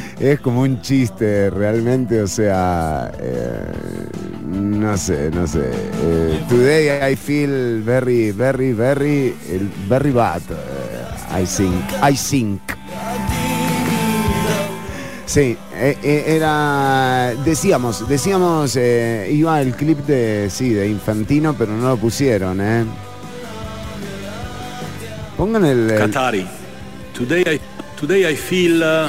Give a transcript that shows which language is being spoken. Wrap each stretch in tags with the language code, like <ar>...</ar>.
<es>Es como un chiste realmente, o sea, no sé.</es> <en>Today I feel very, very, very, very bad, I think.</en> <es>Sí, era, decíamos, iba el clip de Infantino, pero no lo pusieron, Pongan el...</es> <en>Qatari. Today I feel...</en>